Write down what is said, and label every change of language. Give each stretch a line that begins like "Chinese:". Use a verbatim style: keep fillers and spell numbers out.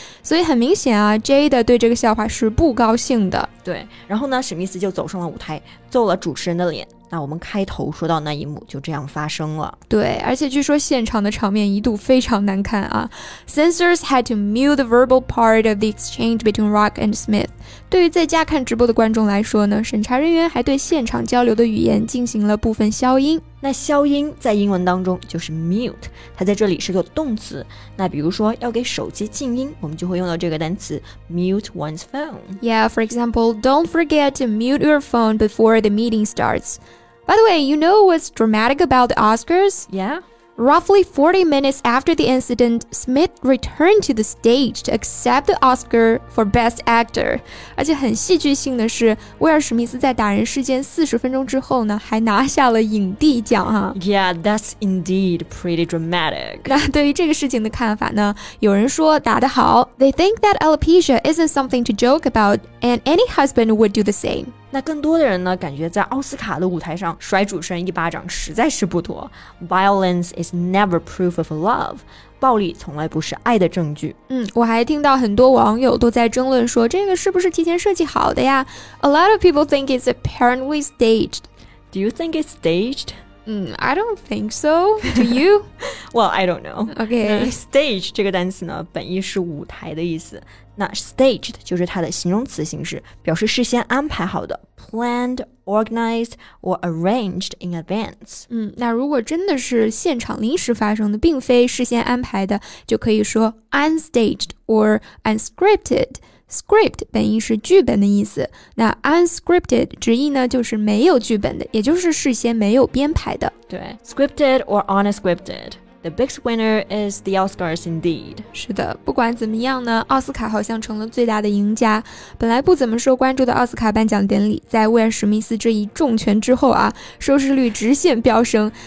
Chinese: 所以很明显啊 Jada 对这个笑话是不高兴的。对，然后呢史密斯就走上了舞台，揍了主持人的脸。那我们开头说到那一幕就这样发生了。对，而且据说现场的场面一度非常难看啊。
English: Censors had to mute the verbal part of the exchange between Rock and Smith.
Chinese: 对于在家看直播的观众来说呢，审查人员还对现场交流的语言进行了部分消音。那消音在英文当中就是 mute， 它在这里是做动词。那比如说要给手机静音，我们就会用到这个单词
English: mute one's phone. Yeah, for example, don't forget to mute your phone before the meeting starts. By the way, you know what's dramatic about the Oscars? Yeah. Roughly forty minutes after the incident, Smith returned to the stage to accept the Oscar for Best Actor.
Chinese: 而且很戏剧性的是，威尔史密斯在打人事件四十分钟之后呢，还拿下了影帝奖哈。
English: Yeah, that's indeed pretty dramatic.
Chinese: 那对于这个事情的看法呢，有人说打得好
English: They think that alopecia isn't something to joke about, and any husband would do the same.
Chinese: 那更多的人呢，感觉在奥斯卡的舞台上甩主持人一巴掌实在是不妥。
English: Violence is never proof of love.
Chinese: 暴力从来不是爱的证据。嗯，我还听到很多网友都在争论说，这个是不是提前设计好的呀？
English: A lot of people think it's apparently staged. Do you think it's staged? Mm, I don't think so. Do you? Well, I don't know. Okay.
Chinese: Stage 这个单词呢，本意是舞台的意思。那 staged 就是它的形容词形式，表示事先安排好的
English: planned, organized, or arranged in advance.
Chinese: 嗯，那如果真的是现场临时发生的，并非事先安排的，就可以说
English: unstaged or unscripted.
Chinese: Script 本意是剧本的意思，那 unscripted 直译呢就是没有剧本的，也就是事先没有编排的。
English: 对 ，scripted or unscripted, the biggest winner is the Oscars indeed.
Chinese: 是的，不管怎么样呢，奥斯卡好像成了最大的赢家。本来不怎么受关注的奥斯卡颁奖典礼，在威尔史密斯这一重拳之后啊，收视率直线飙升。